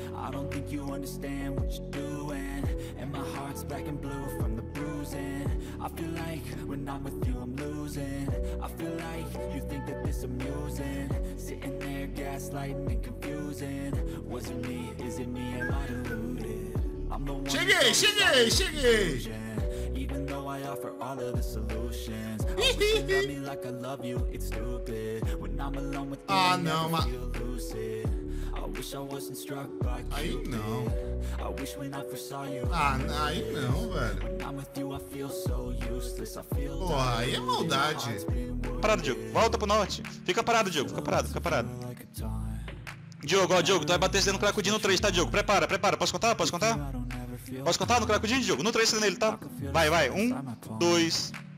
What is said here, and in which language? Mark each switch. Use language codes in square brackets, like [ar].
[en] I don't think you understand what you're doing. And my heart's black and blue from the bruising. I feel like when I'm with you I'm losing. I feel like you think that this amusing. Sitting there gaslighting and confusing. Was it me? Is it me? Am I deluded? I'm the one. [pt] Cheguei, cheguei, cheguei. [en] Even though I offer all of the solutions. I wish you love me like I love you, it's stupid. When I'm alone with you, oh, no, I feel lucid. I wish I wasn't struck by Cupid. I wish when I first saw you, When I'm with you, I feel so useless. I feel like my heart's been wounded. [pt] Parado, Diogo, volta pro norte. Fica parado, Diogo, fica parado. Diogo, ó, Diogo, tu vai bater sendo Cracudinho no 3, tá, Diogo? Prepara, posso contar? Posso contar no Cracudinho de jogo? No 3 nele, tá? Vai. 1, 2.